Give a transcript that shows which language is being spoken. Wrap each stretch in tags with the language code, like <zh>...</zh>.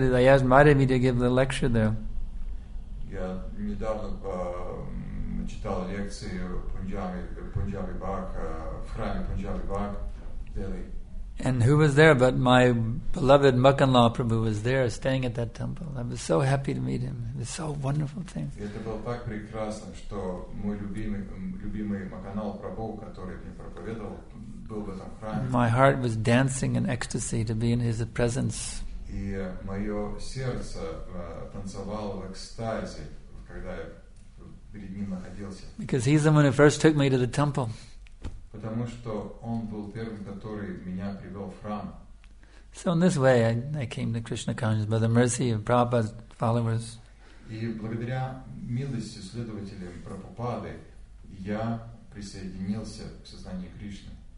<en>They invited me to give the lecture there.</en> <ru>Я недавно читал лекции Punjabi Bagh в храме Punjabi Bagh, Delhi.</ru> <en>And who was there but my beloved Makanla Prabhu was there staying at that temple. I was so happy to meet him. It was so wonderful thing.</en> <ru>Это было так прекрасно, что мой любимый Маканал Прабху, который мне проповедовал, был в этом храме.</ru> <en>My heart was dancing in ecstasy to be in his presence.</en> <ru>И моё сердце танцевало в экстазе, когда я перед ним находился.</ru> <en>Because he's the one who first took me to the temple.</en> <ru>Потому что он был первым, который меня привел в храм.</ru> <en>So in this way I came to Krishna consciousness by the mercy of Prabhupada's followers.</en> <ru>И благодаря милости следователей Прабхупады я присоединился к сознанию Кришны.</ru>